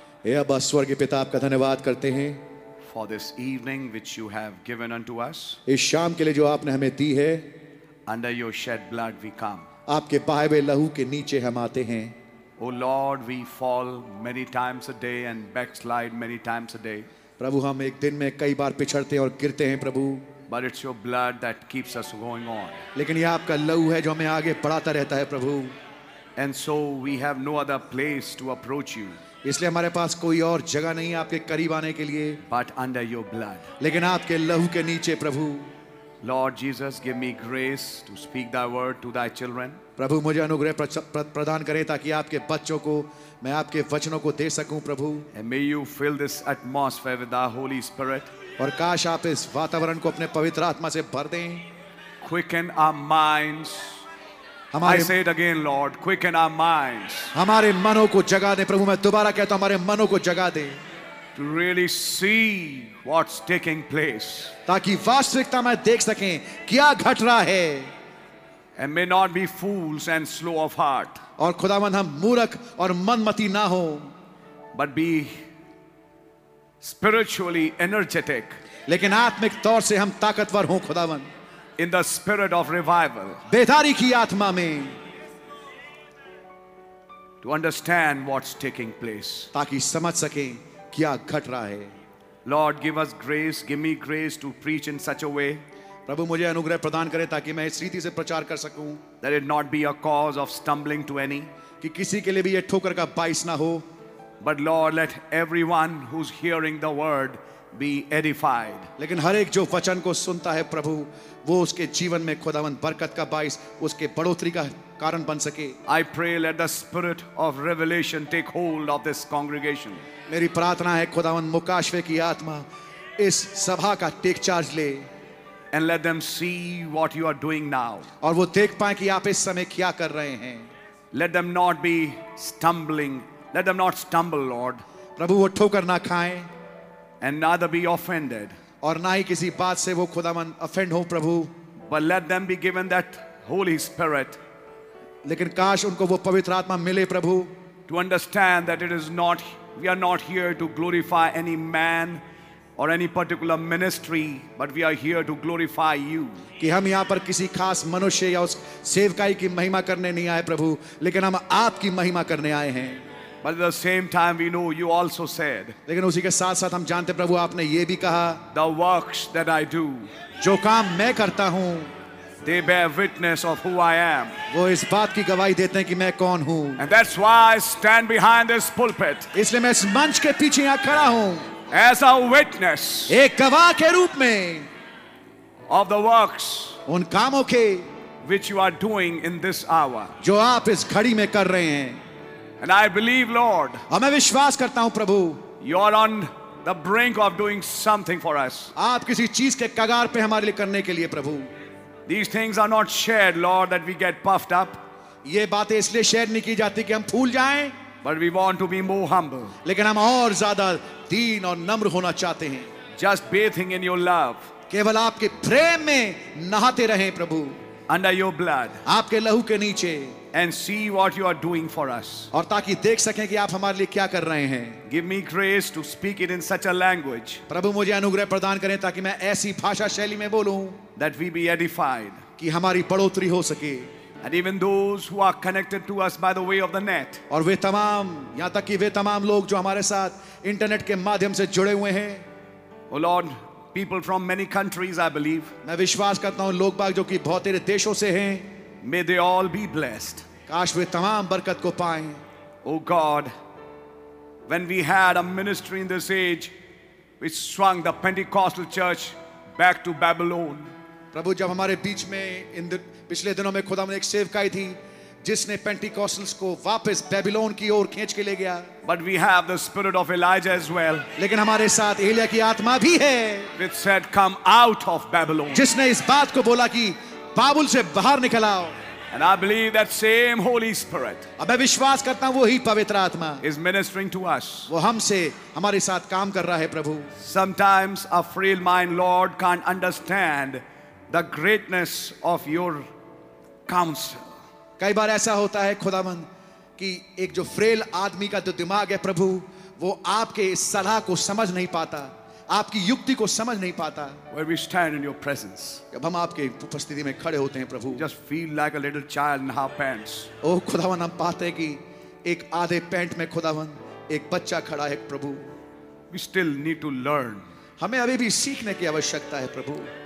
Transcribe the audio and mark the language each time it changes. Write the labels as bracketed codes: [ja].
[hi] Hey, Abba Swargi Pita, aapka dhanyavaad karte hain. [en] For this evening which you have given unto us. [hi] Is shaam ke liye jo aapne hame di hai. [en] Under your shed blood we come. [hi] Aapke paave lahu ke niche hum aate hain. [en] Oh Lord, we fall many times a day and backslide many times a day. [hi] प्रभु हम एक दिन में कई बार पिछड़ते और गिरते हैं प्रभु. [en] But it's your blood that keeps us going on. [hi] लेकिन यह आपका लहू है जो हमें आगे बढ़ाता रहता है प्रभु. [en] And so we have no other place to approach you. [hi] इसलिए हमारे पास कोई और जगह नहीं आपके करीब आने के लिए. [en] But under your blood. [hi] लेकिन आपके लहू के नीचे प्रभु. [en] Lord Jesus, give me grace to speak thy word to thy children. [hi] प्रभु मुझे अनुग्रह प्रदान करें ताकि आपके बच्चों को मैं आपके वचनों को दे सकूं प्रभु. [en] And may you fill this atmosphere with the Holy Spirit. [hi] और काश आप इस वातावरण को अपने पवित्र आत्मा से भर दें. [en] Quicken our minds. I say it again, Lord, quicken our minds. [hi] हमारे मनों को जगा दें प्रभु. मैं दोबारा कहता हूं, हमारे मनों को जगा दें. [en] To really see what's taking place. [hi] ताकि वास्तविकता में देख सकें क्या घट रहा है. [en] And may not be fools and slow of heart. [hi] और खुदावंद हम मूर्ख और मनमती ना हो. [en] But be spiritually energetic. [hi] लेकिन आत्मिक तौर से हम ताकतवर हों खुदावंद. [en] In the spirit of revival. [hi] बेदारी की आत्मा में. [en] To understand what's taking place. [hi] ताकि समझ सकें क्या घट रहा है. [en] Lord, give us grace. Give me grace to preach in such a way. [hi] प्रभु मुझे अनुग्रह प्रदान करें ताकि मैं इस रीति से प्रचार कर सकूं. [en] That it not be a cause of stumbling to any. [hi] कि किसी के लिए भी ये ठोकर का बाइस ना हो. [en] But Lord, let everyone who's hearing the word be edified. [hi] लेकिन हर एक जो वचन को सुनता है प्रभु, वो उसके जीवन में खुदावंद बरकत का बाइस, उसके बढ़ोतरी का कारण बन सके. [en] I pray let the spirit of revelation take hold of this congregation. [hi] मेरी प्रार्थना है खुदावंद मुकाशवे की आत्मा इस सभा का [en] take charge [hi] ले. [en] And let them see what you are doing now. [hi] और वो देख पाएं कि आप इस समय क्या कर रहे हैं. [en] Let them not be stumbling. Let them not stumble, Lord. [hi] प्रभु वो ठोकर ना खाएं. [en] And neither be offended. [hi] और ना ही किसी बात से वो खुदावंद ऑफेंड हो प्रभु. [en] But let them be given that Holy Spirit. [hi] लेकिन काश उनको वो पवित्र आत्मा मिले प्रभु. [en] To understand that it is not, we are not here to glorify any man. Or any particular ministry, but we are here to glorify you. [hi] कि हम यहाँ पर किसी खास मनुष्य या उस सेवकाई की महिमा करने नहीं आए प्रभु, लेकिन हम आपकी महिमा करने आए हैं. [en] But at the same time, we know you also said. [hi] लेकिन उसी के साथ साथ हम जानते प्रभु आपने ये भी कहा. [en] The works that I do. [hi] जो काम मैं करता हूँ. [en] They bear witness of who I am. [hi] वो इस बात की गवाही देते हैं कि मैं कौन हूँ. [en] And that's why I stand behind this pulpit. [hi] इसलिए मैं इस मंच के पीछे यहाँ खड़ा हूँ. [en] As a witness, [hi] एक गवाह के रूप में, [en] of the works, [hi] उन कामों के, [en] which you are doing in this hour, [hi] जो आप इस घड़ी में कर रहे हैं, [en] and I believe, Lord, [hi] और मैं विश्वास करता हूँ प्रभु, [en] you are on the brink of doing something for us, [hi] आप किसी चीज़ के कगार पे हमारे लिए करने के लिए प्रभु, [en] these things are not shared, Lord, that we get puffed up, [hi] ये बातें इसलिए शेयर नहीं की जाती कि हम फूल जाएं. [en] But we want to be more humble. [hi] लेकिन हम और ज्यादा दीन और नम्र होना चाहते हैं. [en] Just bathing in your love. [hi] केवल आपके प्रेम में नहाते रहें प्रभु. [en] Under your blood. [hi] आपके लहू के नीचे. [en] And see what you are doing for us. [hi] और ताकि देख सकें कि आप हमारे लिए क्या कर रहे हैं. [en] Give me grace to speak it in such a language. [hi] प्रभु मुझे अनुग्रह प्रदान करें ताकि मैं ऐसी भाषा शैली में बोलूं. [en] That we be edified. [hi] कि हमारी बढ़ोतरी हो सके. [en] And even those who are connected to us by the way of the net. [hi] और वे तमाम, यहाँ तक कि वे तमाम लोग जो हमारे साथ इंटरनेट के माध्यम से जुड़े हुए हैं. [en] Oh Lord, people from many countries, I believe. [hi] मैं विश्वास करता हूँ लोग बाग जो कि बहुत सारे देशों से हैं. [en] May they all be blessed. [hi] काश वे तमाम बरकत को पाएं. [en] Oh God, when we had a ministry in this age, we swung the Pentecostal church back to Babylon. [hi] प्रभु जब हमारे बीच में इन पिछले दिनों में खुदा ने एक सेवकाई थी जिसने पेंटिकॉस्टल्स को वापस बेबीलोन की ओर खींच के ले गया. [en] But we have the spirit of Elijah as well. [hi] लेकिन हमारे साथ एलिया की आत्मा भी है. [en] It said, "Come out of Babylon." [hi] जिसने इस बात को बोला कि बाबुल से बाहर निकल आओ. [en] And I believe that same Holy Spirit. [hi] अब मैं विश्वास करता हूँ वही पवित्र आत्मा. [en] Is ministering to us. [hi] वो हमसे हमारे साथ काम कर रहा है प्रभु. [en] Sometimes a frail mind, Lord, can't understand. The greatness of your counsel. [hi] कई बार ऐसा होता है खुदावंद कि एक जो फ्रेल आदमी का जो दिमाग है प्रभु, वो आपके सलाह को समझ नहीं पाता, आपकी युक्ति को समझ नहीं पाता. [en] Where we stand in your presence. [hi] जब हम आपके उपस्थिति में खड़े होते हैं प्रभु. [en] Just feel like a little child in half pants. [hi] ओ खुदावंद, हम पाते हैं कि एक आधे पैंट में खुदावन एक बच्चा खड़ा है प्रभु. [en] We still need to learn. [hi] हमें अभी भी सीखने की आवश्यकता है प्रभु.